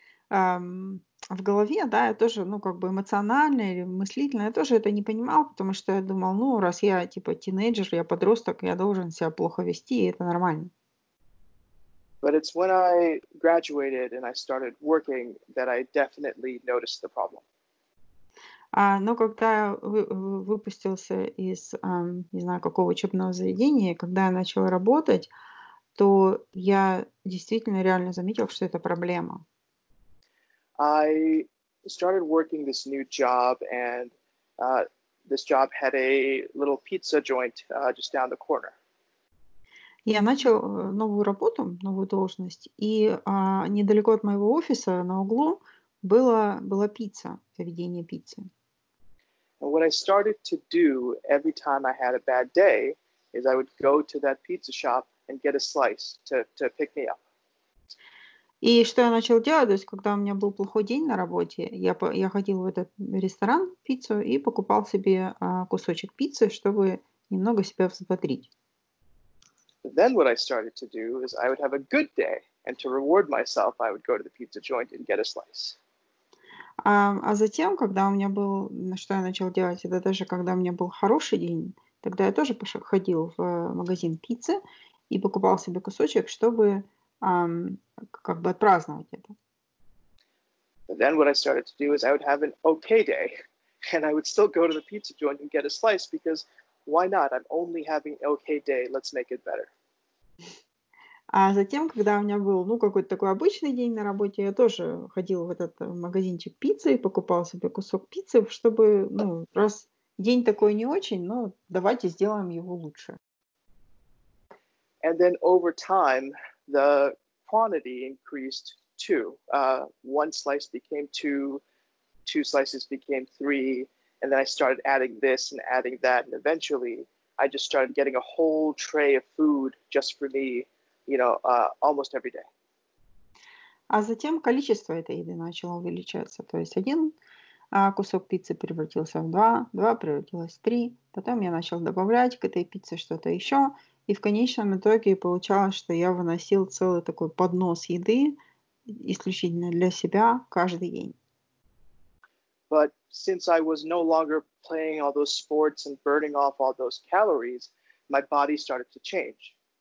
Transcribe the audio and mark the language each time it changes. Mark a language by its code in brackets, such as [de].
[ru] В голове, да, я тоже, ну, как бы эмоционально или мыслительно, я тоже это не понимал, потому что я думал, ну, раз я, типа, тинейджер, я подросток, я должен себя плохо вести, и это нормально. [en] But it's when I graduated and I started working that I definitely noticed the problem. [ru] Но когда я выпустился из, не знаю, какого учебного заведения, когда я начал работать, то я действительно реально заметил, что это проблема. [en] I started working this new job, and this job had a little pizza joint just down the corner. [ru] Я начал новую работу, новую должность, и недалеко от моего офиса на углу была пицца, заведение пиццы. [en] And what I started to do every time I had a bad day is I would go to that pizza shop and get a slice to pick me up. [ru] И что я начал делать, то есть, когда у меня был плохой день на работе, я ходил в этот ресторан, пиццу, и покупал себе кусочек пиццы, чтобы немного себя взбодрить. [en] Then what I started to do is I would have a good day, and to reward myself, I would go to the pizza joint and get a slice. [ru] А затем, когда у меня был, что я начал делать, это даже когда у меня был хороший день, тогда я тоже ходил в магазин пиццы и покупал себе кусочек, чтобы как бы отпраздновать это. [en] But then what I started to do is I would have an okay day, And I would still go to the pizza joint and get a slice because why not? I'm only having okay day. Let's make it better. [ru] А затем, когда у меня был, ну, какой-то такой обычный день на работе, я тоже ходила в этот магазинчик пиццы и покупала себе кусок пиццы, чтобы, ну, раз день такой не очень, ну, давайте сделаем его лучше. [en] And then over time, the quantity increased too. One slice became two slices became three, and then I started adding this and adding that, and eventually I just started getting a whole tray of food just for me, you know, almost every day. [ru] А затем количество этой еды начало увеличиваться. То есть один кусок пиццы превратился в два, два превратилось в три. Потом я начал добавлять к этой пицце что-то еще. И в конечном итоге получалось, что я выносил целый такой поднос еды исключительно для себя каждый день. [en] But since I was no longer playing all those sports and burning off all those calories, my body started to change.